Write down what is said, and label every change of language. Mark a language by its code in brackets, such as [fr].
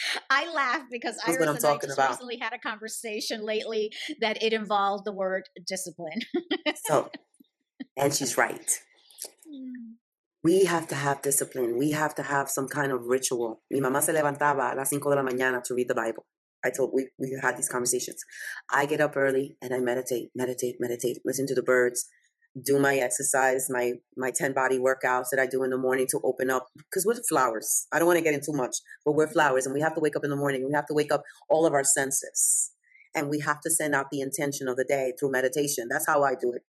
[en] I laugh because Iris and I just recently had a conversation lately that it involved the word discipline. So, and she's right. We have to have discipline. We have to have some kind of ritual. [es] Mi mamá se levantaba a las 5 de la mañana [en] to read the Bible. I told, we had these conversations. I get up early and I meditate, listen to the birds, do my exercise, my 10 body workouts that I do in the morning to open up, because we're flowers. I don't want to get in too much, but we're flowers and we have to wake up in the morning. We have to wake up all of our senses and we have to send out the intention of the day through meditation. That's how I do it.